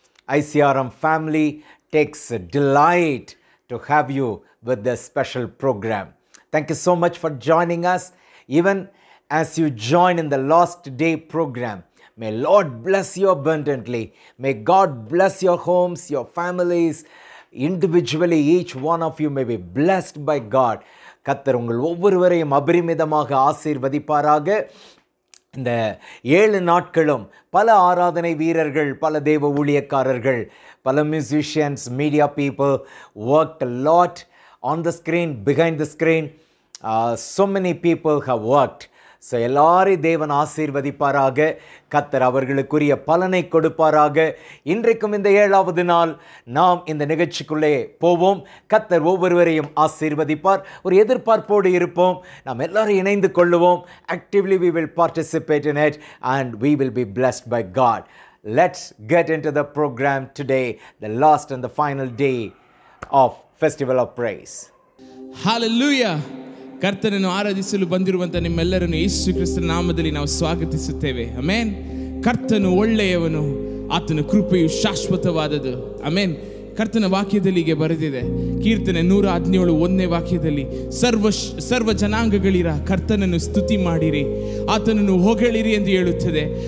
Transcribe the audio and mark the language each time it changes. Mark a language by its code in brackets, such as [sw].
[en] ICRM family takes delight to have you with this special program. Thank you so much for joining us. Even as you join in the last day program, may Lord bless you abundantly. May God bless your homes, your families, individually, each one of you may be blessed by God. [ta] கத்தர் உங்கள் ஒவ்வொருவரையும் அபரிமிதமாக ஆசீர்வதிப்பாராக. இந்த ஏழு நாட்களும் பல ஆராதனை வீரர்கள், பல தெய்வ ஊழியக்காரர்கள், பல musicians, media people [en] worked a lot on the screen, [ta] behind the screen. [en] So many people have worked. [ta] So எல்லாரையும் தேவன் ஆசீர்வதிப்பாராக. கத்தர் அவர்களுக்குரிய பலனை கொடுப்பாராக. இன்றைக்கும் இந்த ஏழாவது நாள் நாம் இந்த நிகழ்ச்சிக்குள்ளே போவோம். கத்தர் ஒவ்வொருவரையும் ஆசீர்வதிப்பார். ஒரு எதிர்பார்ப்போடு இருப்போம். நாம் எல்லாரும் இணைந்து கொள்ளுவோம். [en] Actively we will participate in it and we will be blessed by God. Let's get into the program today, the last and the final day of festival of praise. Hallelujah. [kn] ಕರ್ತನನ್ನು ಆರಾಧಿಸಲು ಬಂದಿರುವಂಥ ನಿಮ್ಮೆಲ್ಲರನ್ನು ಯೇಸು ಕ್ರಿಸ್ತನ ನಾಮದಲ್ಲಿ ನಾವು ಸ್ವಾಗತಿಸುತ್ತೇವೆ. ಅಮೇನ್. ಕರ್ತನು ಒಳ್ಳೆಯವನು, ಆತನ ಕೃಪೆಯು ಶಾಶ್ವತವಾದದು. ಅಮೇನ್. ಕರ್ತನ ವಾಕ್ಯದಲ್ಲಿ ಹೀಗೆ ಬರೆದಿದೆ, ಕೀರ್ತನೆ 117 ಒಂದನೇ ವಾಕ್ಯದಲ್ಲಿ, ಸರ್ವ ಜನಾಂಗಗಳಿರ ಕರ್ತನನ್ನು ಸ್ತುತಿ ಮಾಡಿರಿ, ಆತನನ್ನು ಹೊಗಳಿರಿ ಎಂದು ಹೇಳುತ್ತದೆ.